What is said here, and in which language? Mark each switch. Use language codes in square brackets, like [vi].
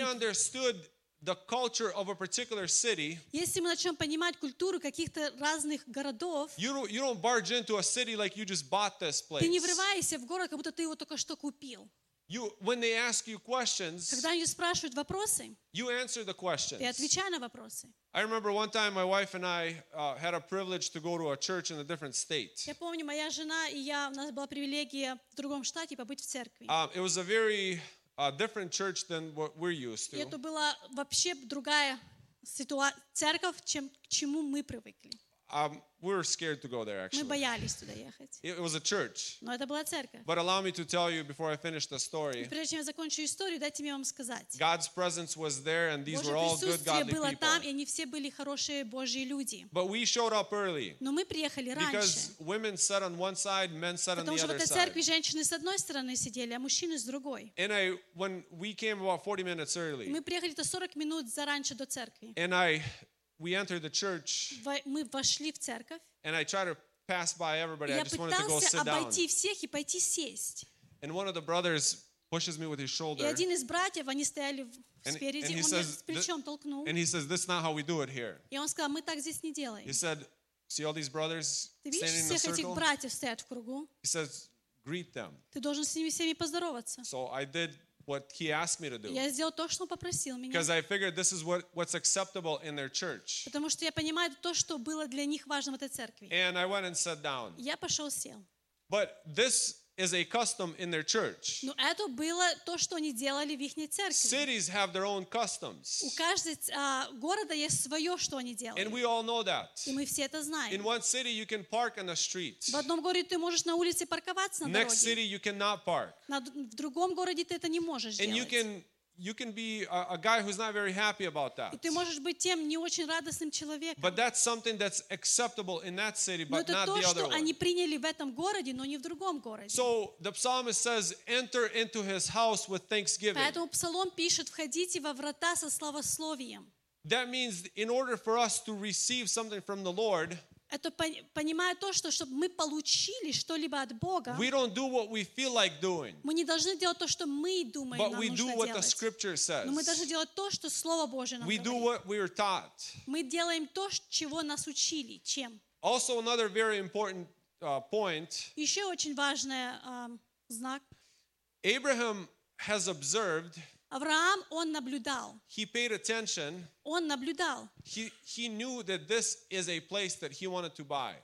[en] If we understood the culture of a particular city, [ru] если мы начнем понимать культуру каких-то разных городов, [en] you don't barge into a city like you just bought this place. [ru] Ты не врываешься в город, как будто ты его только что купил. [en] You, when they ask you questions, [ru] когда они спрашивают вопросы, [en] you answer the questions. [ru] Ты отвечай на вопросы. [en] I remember one time my wife and I had a privilege to go to a church in a different state. [ru] Я помню, моя жена и я, у нас была привилегия в другом штате побыть в церкви. [en] It was a very different church than what we're used to. [ru] Это была вообще другая ситуация церковь, чем к чему мы привыкли. [en] We were scared to go there, actually. [ru] Мы боялись туда ехать. [en] It was a church. [ru] Но это была церковь. [en] But allow me to tell you before I finish the story. [ru] Прежде чем я закончу историю, дайте мне вам сказать. [en] God's presence was there, and these were all good, godly people. [ru] Божье присутствие было там, и они все были хорошие Божьи люди. [en] But we showed up early. [ru] Но мы приехали раньше. [en] Because women sat on one side, men sat on the other side. [ru] Потому что в церкви женщины с одной стороны сидели, а мужчины с другой. [en] And when we came about 40 minutes early. [ru] Мы приехали 40 минут раньше до церкви. [en] And we entered the church. [ru] Мы вошли в церковь. [en] And I tried to pass by everybody. I just wanted to go sit down. [ru] Я пытался обойти всех и пойти сесть. [en] And one of the brothers pushes me with his shoulder. [ru] И один из братьев, они стояли спереди, он меня плечом толкнул. [en] And he says, "That's not how we do it here." [ru] И он сказал, мы так здесь не делаем. [en] He said, "See all these brothers standing in a circle?" [ru] Ты видишь, всех этих братьев стоят в кругу? [en] He says, "Greet them." [ru] Ты должен с ними всеми поздороваться. [en] So I did what he asked me to do. [ru] Я сделал то, что он попросил меня. [en] Because I figured this is what's acceptable in their church. [ru] Потому что я понимаю то, что было для них важно в этой церкви. [en] And I went and sat down. [ru] Я пошел сел. [en] But this is a custom in their church. [ru] Но это было то, что они делали в их церкви. [en] Cities have their own customs. [ru] У каждого города есть свое, что они делают. [en] And we all know that. [ru] И мы все это знаем. [en] In one city you can park on the street. [ru] В одном городе ты можешь на улице парковаться на дороге. [en] Next city you cannot park. [ru] В другом городе ты это не можешь делать. [en] And you can be a guy who's not very happy about that. [ru] И ты можешь быть тем не очень радостным человеком. [en] But that's something that's acceptable in that city, but not the other one. [ru] Но то, что они приняли в этом городе, но не в другом городе. [en] So the psalmist says, "Enter into his house with thanksgiving." [ru] Поэтому псалом пишет: «Входите во врата со славословием». [en] That means, in order for us to receive something from the Lord. [ru] Это понимая то, что чтобы мы получили что-либо от Бога, [en] we don't do what we feel like doing, [ru] мы не должны делать то, что мы думаем, [en] but [ru] нам [en] we [ru] нужно [en] do [ru] делать. [en] What the scripture says. [ru] Но мы должны делать то, что Слово Божие нам [en] we [ru] говорит. [en] Do what we are taught. [ru] Мы делаем то, чего нас учили. Чем? [en] Also another very important, point, [ru] еще очень важный знак. [en] Abraham has observed. [ru] Авраам, он наблюдал. [en] He paid attention. [ru] Он наблюдал. [en] He knew that this is a place that he wanted to buy.